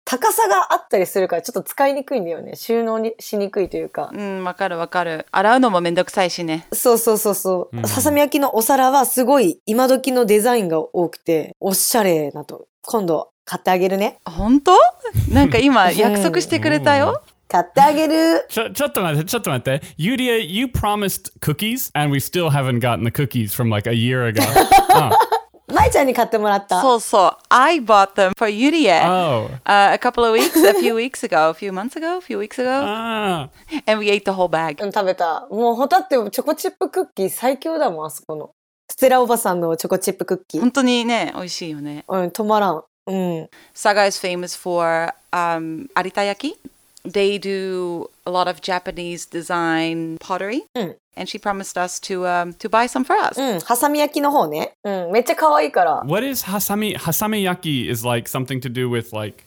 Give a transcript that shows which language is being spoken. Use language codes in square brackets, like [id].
[ja] 高さがあったりするからちょっと使いにくいんだよね。収納にしにくいというか。うん、わかるわかる。洗うのもめんどくさいしね。そうそうそうそう。ささみ焼きのお皿はすごい今時のデザインが多くておしゃれなと。今度買ってあげるね。本当？なんか今約束してくれたよ。買ってあげる。ちょっと待って。 [en] Yuria, you promised cookies and we still haven't gotten the cookies from like a year ago. [ja] Mai ちゃんに買ってもらった。そうそう。 [en] I bought them for Yuria. Oh. A couple of weeks, a few weeks ago. Ah. And we ate the whole bag. [ja] うん、食べた。もうホタテチョコチップクッキー最強だもん、あそこの。ステラおばさんのチョコチップクッキー。本当にね、美味しいよね。うん、止まらん。うん。 [en] Saga is famous for, 有田焼き。 They do a lot of Japanese design pottery. And she promised us to buy some for us. [ja] Hasami yaki no hou ne. めっちゃ可愛いから。 [en] What is hasami? Hasami yaki is like something to do with like...